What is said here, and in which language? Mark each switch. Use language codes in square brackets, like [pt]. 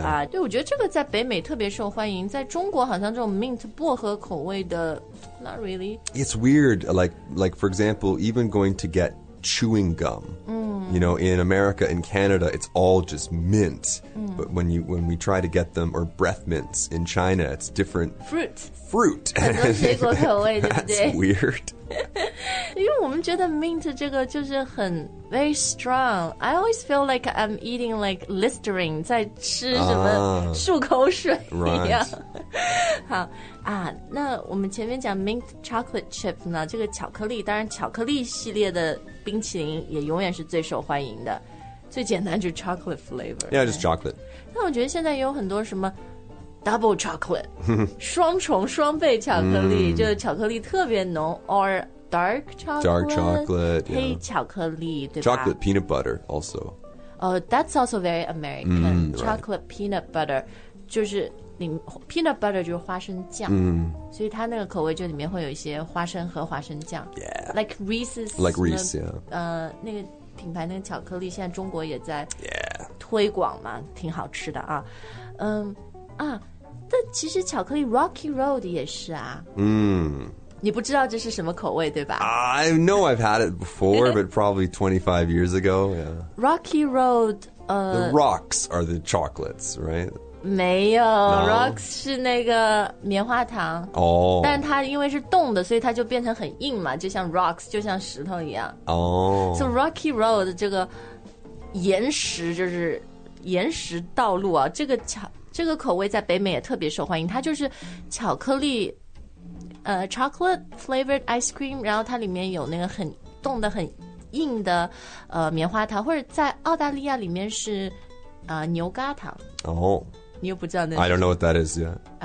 [zh] 对，我觉得这个在北美特别受欢迎，在中国好像这种 mint 薄荷口味的 [en] not really. It's weird, like for example, even going to get chewing gum. You know, in America, in Canada, it's all just mint. Mm. But when we try to get them, or breath mints in China, it's different. Fruit. [zh] 很多水果口味, [en] That's weird. [zh] 因为我们觉得 mint 这个就是很 [en] very strong. I always feel like I'm eating like Listerine, [zh] 在吃什么漱口水一样。好，那我们前面讲 mint chocolate chip 呢，这个巧克力，当然巧克力系列的冰淇淋也永远是最受欢迎的，最简单就是 chocolate flavor. [en] Yeah, just chocolate. [zh] 那我觉得现在有很多什么 double chocolate, 双倍巧克力，就是巧克力特别浓 [en] or dark chocolate, dark chocolate, [zh] 黑巧克力，对吧？ [en] Chocolate peanut butter also. Oh, that's also very American. Mm, chocolate right. peanut butter, [zh] 就是。 Peanut butter 就是花生酱 mm. 所以它那个口味就里面会有一些花生和花生酱 [en] Yeah Like Reese's Like Reese, yeah [zh] 那个品牌那个巧克力 现在中国也在推广嘛 [en] yeah. [zh] 挺好吃的啊 但其实巧克力 Rocky Road 也是啊 你不知道这是什么口味对吧 [en] I know I've had it before But probably 25 years ago yeah. Rocky Road The rocks are the chocolates, right? [zh] 没有 [en] no? [zh] ，Rocks 是那个棉花糖。 oh. 但它因为是冻的，所以它就变成很硬嘛，就像 Rocks， 就像石头一样。 oh. So Rocky Road 这个岩石就是岩石道路啊，这个口味在北美也特别受欢迎，它就是巧克力， [en] chocolate flavored ice cream， [zh] 然后它里面有那个很冻的很硬的棉花糖，或者在澳大利亚里面是牛轧糖。哦。 [en] I don't know what that is yet.